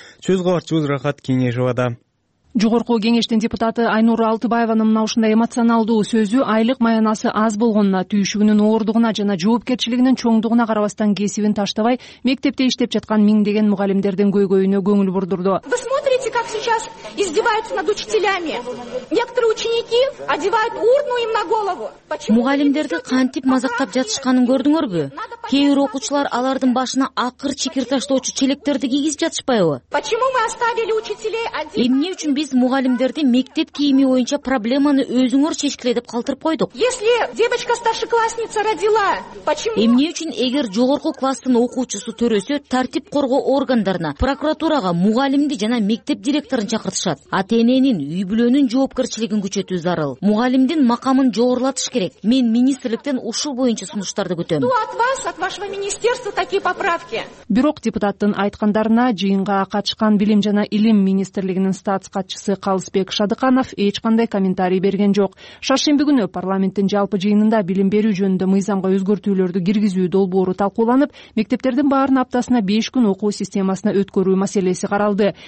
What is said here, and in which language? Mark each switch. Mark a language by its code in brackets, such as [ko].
[ky] Сөз кабарчыбыз Рахат Кеңешовада. Жогорку кеңештин депутаты Айнура Алтыбаеванын мына ушундай эмоционалдуу сөзү айлык маянасы аз болгонуна, түйшүгүнүн оордугуна жана жоопкерчилигинин чоңдугуна карабастан кесибин таштабай мектепте иштеп жаткан миңдеген мугалимдердин көйгөйүнө көңүл бурдурду. [ru] Вы смотрите, как сейчас издеваются над учителями. Некоторые ученики одевают урну им на голову. [ky] Мугалимдерди кантип мазактап жатышканын көрдүңөрбү? Кээ бир окуучулар алардын башына акыр чикир таштоочу челектерди кийгизип жатышпайбы? [ru] Почему мы оставили учителей один? [ky] Эмне үчүн биз мугалимдерди мектеп кийими боюнча проблеманы өзүңөр чечкиле деп калтырып койдук? [ru] Если девочка старшеклассница родила, почему? [ky] Эмне үчүн эгер жогорку класстын окуучусу төрөсө, тартип коргоо органдарына, прокуратурага мугалимди жана мектеп директорун чакыртышат? Ата-эненин, үй бүлөнүн жоопкерчилигин күчөтүү зарыл. Мугалимдин макамын жогорулатыш керек. Мен министрликтен ушул боюнча сунуштарды күтөм. [ru] Ну, от вас, от вашего министерства такие поправки. [ky] Бирок депутаттын айткандарына жыйынга катышкан билим жана илим министрлигинин катчысы Калысбек Шадыканов эч кандай комментарий берген жок. Шаршемби күнү парламенттин жалпы жыйынында билим берүү жөнүндө мыйзамга өзгөртүүлөрдү киргизүү долбоору талкууланып, мектептердин баарын аптасына 5 күн окуу системасына өткөрүү маселеси каралды.